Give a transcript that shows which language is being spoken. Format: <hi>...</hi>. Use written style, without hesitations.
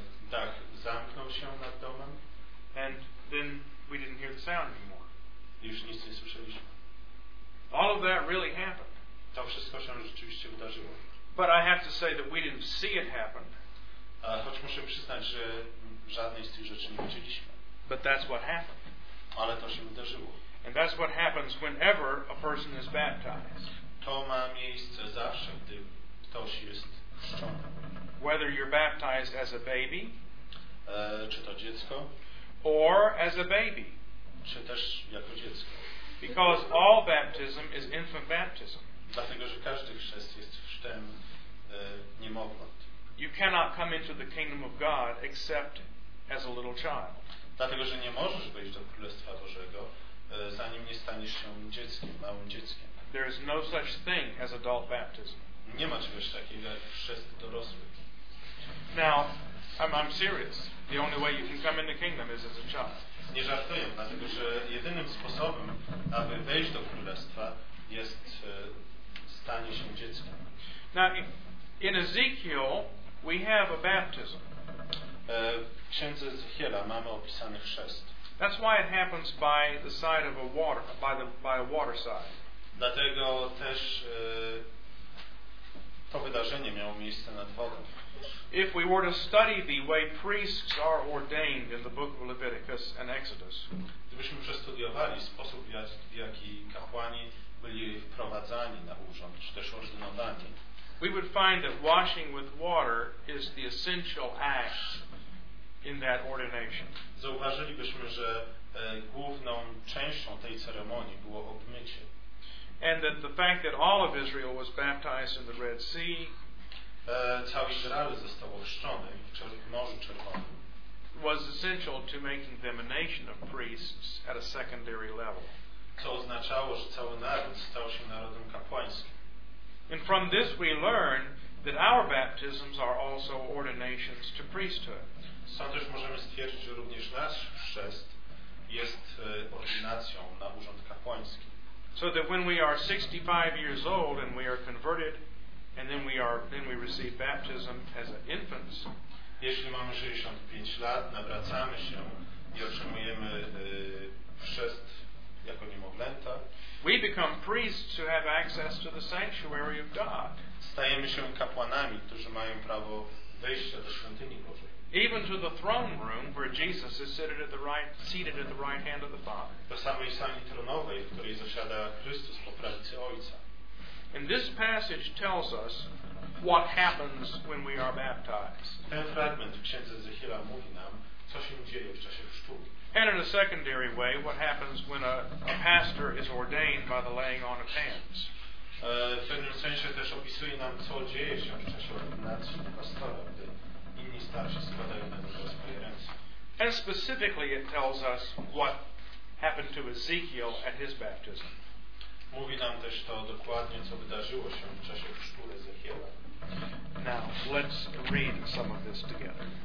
<pl>Dach zamknął się nad domem.</pl> <en>And then we didn't hear the sound anymore.</en> <pl>Już nic nie słyszeliśmy.</pl> <en>All of that really happened.</en> <pl>To wszystko się rzeczywiście wydarzyło.</pl> <en>But I have to say that we didn't see it happen.</en> <pl>Choć muszę przyznać, że żadnej z tych rzeczy nie widzieliśmy.</pl> <en>But that's what happened.</en> <pl>Ale to się wydarzyło.</pl> <en>And that's what happens whenever a person is baptized.</en> <pl>To ma miejsce zawsze, gdy ktoś jest chrzczony.</pl> <en>Whether you're baptized as a baby,</en> <pl>czy to dziecko,</pl> <en>or as a baby,</en> <pl>czy też jako dziecko.</pl> <en>Because all baptism is infant baptism.</en> <pl>Dlatego, że każdy chrzest jest chrztem niemowląt.</pl> <en>You cannot come into the kingdom of God except as a little child.</en> <pl>Dlatego, że nie możesz wejść do Królestwa Bożego, zanim nie staniesz się dzieckiem, małym dzieckiem.</pl> <en>There is no such thing as adult baptism.</en> <pl>Nie ma czegoś takiego jak chrzest dorosłych.</pl> <en>Now, I'm serious. The only way you can come in the kingdom is as a child.</en> <pl>Nie żartuję, dlatego że jedynym sposobem, aby wejść do królestwa, jest stanie się dzieckiem.</pl> <en>Now, in Ezekiel, we have a baptism.</en> <pl>W księdze Ezechiela mamy opisany chrzest.</pl> <en>That's why it happens by the side of a water, by a water side.</en> <pl>Dlatego też to wydarzenie miało miejsce nad wodą.</pl> <en>If we were to study the way priests are ordained in the book of Leviticus and Exodus,</en> <pl>gdybyśmy przestudiowali sposób, w jaki kapłani byli wprowadzani na urząd, czy też ordynowani,</pl> <en>we would find that washing with water is the essential act in that ordination.</en> <pl>Zauważylibyśmy, że główną częścią tej ceremonii było obmycie.</pl> <en>And that the fact that all of Israel was baptized in the Red Sea,</en> <pl>cały Izrael został ochrzczony w Morzu Czerwonym,</pl> <en>was essential to making them a nation of priests at a secondary level.</en> <pl>Co oznaczało, że cały naród stał się narodem kapłańskim.</pl> <en>And from this we learn that our baptisms are also ordinations to priesthood.</en> <pl>Stąd też możemy stwierdzić, że również nasz chrzest jest ordynacją na urząd kapłański.</pl> <en>So that when we are 65 years old and we are converted, and then we receive baptism as infants.</en> <pl>Jeśli mamy 65 lat, nawracamy się i otrzymujemy chrzest jako niemowlęta.</pl> <en>We become priests who have access to the sanctuary of God.</en> <pl>Stajemy się kapłanami, którzy mają prawo wejścia do świątyni Bożej.</pl> <en>Even to the throne room where Jesus is seated at the right hand of the Father.</en> <pl>Do samej sali tronowej, w której zasiada Chrystus po prawicy Ojca.</pl> <en>And this passage tells us what happens when we are baptized.</en> <pl>Ten fragment w księdze Ezechiela mówi nam, co się dzieje w czasie chrztu.</pl> <en>And in a secondary way, what happens when a pastor is ordained by the laying on of hands.</en> <pl>W pewnym sensie też opisuje nam, co dzieje się w czasie ordynacji pastora, gdy inni starsi składają na niego swoje ręce.</pl> <en>And specifically it tells us what happened to Ezekiel at his baptism.</en> <pl>Mówi nam też to dokładnie, co wydarzyło się w czasie chrztu Ezechiela.</pl> <en>Now, let's read some of this together.</en>